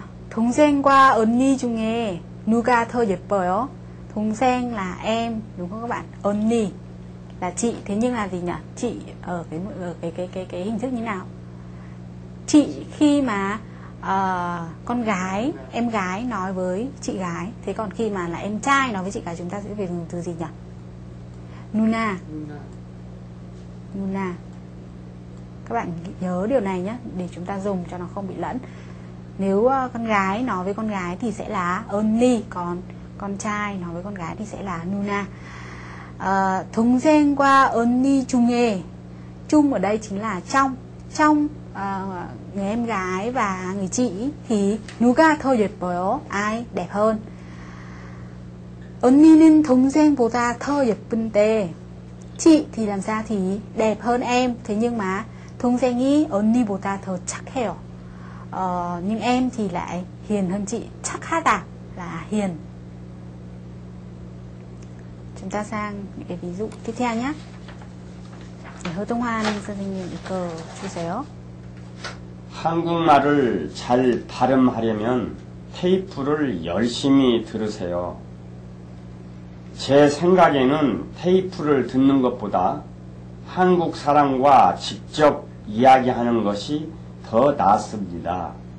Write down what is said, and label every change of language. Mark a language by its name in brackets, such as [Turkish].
[Korean] 동생과 언니 중에 누가 더 예뻐요? [Vietnamese] 동생 là em, đúng không các bạn? 언니 là chị. Thế nhưng là gì nhỉ? Chị ở cái hình thức như nào? Chị khi mà con gái, em gái nói với chị gái. Thế còn khi mà là em trai nói với chị gái, chúng ta sẽ phải dùng từ gì nhỉ? Nuna. Nuna. Các bạn nhớ điều này nhé, để chúng ta dùng cho nó không bị lẫn. Nếu con gái nói với con gái thì sẽ là only. Còn con trai nói với con gái thì sẽ là Nuna. [Korean] 동생과 언니 중에. [Vietnamese] Chung ở đây chính là trong. Trong người em gái và người chị thì [Korean] 누가 더 예뻐요? [Vietnamese] Ai đẹp hơn? [Korean] 언니는 동생보다 더 예쁜데. [Vietnamese] Chị thì làm sao thì đẹp hơn em. Thế nhưng mà [Korean] 동생이 언니보다 더 착해요. [Vietnamese] Nhưng em thì lại hiền hơn chị. 착하다 là hiền. Chúng ta sang những cái ví dụ tiếp theo nhé. Để Hơ Tung Hoan xin cờ chia. [Korean] 한국말을 잘 발음하려면 테이프를 열심히 들으세요. 제 생각에는 테이프를 듣는 것보다 한국 사람과 직접 이야기하는 것이 더 낫습니다.